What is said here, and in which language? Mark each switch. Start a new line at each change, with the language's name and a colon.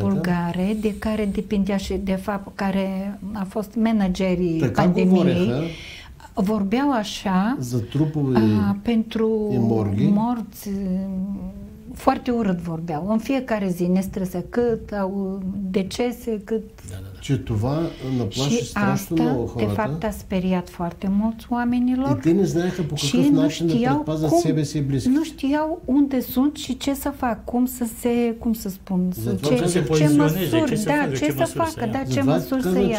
Romanian: bulgare, de care depindea și, de fapt, care a fost managerii pandemiei, vorbeau așa za trupuri, pentru morghi. Morți, foarte urât vorbeau. În fiecare zi ne stresă cât, au decese, cât...
Bulgarian: Ce това наплаши страшно много хората.
Romanian: Și asta, de fapt, a speriat foarte mulți oamenilor.
Bulgarian: И те не знаеха по какъв начин да предпазят себе си и близките.
Romanian: Nu știau unde sunt și ce să fac, cum să se, cum să spun, ce măsuri, da, ce să facă, да, ce măsuri să ia.